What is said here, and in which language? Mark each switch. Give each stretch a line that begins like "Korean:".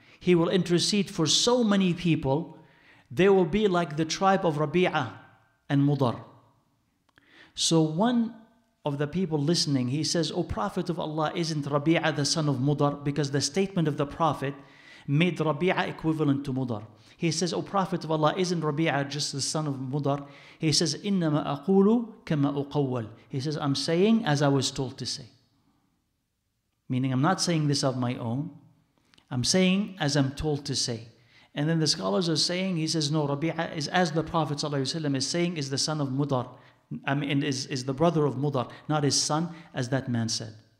English: He will intercede for so many people. They will be like the tribe of Rabi'a and Mudar. So one of the people listening, he says, O Prophet of Allah, isn't Rabi'a the son of Mudar? Because the statement of the Prophet made Rabi'a equivalent to Mudar. He says, O Prophet of Allah, isn't Rabi'a just the son of Mudar? He says,
Arabic: إِنَّمَا أَقُولُ كَمَا أُقَوَّلُ.
English: He says, I'm saying as I was told to say. Meaning, I'm not saying this of my own. I'm saying as I'm told to say. And then the scholars are saying, he says, no, Rabi'a is as the Prophet ﷺ is saying, is the son of Mudar. I mean, is the brother of Mudar, not his son, as that man said.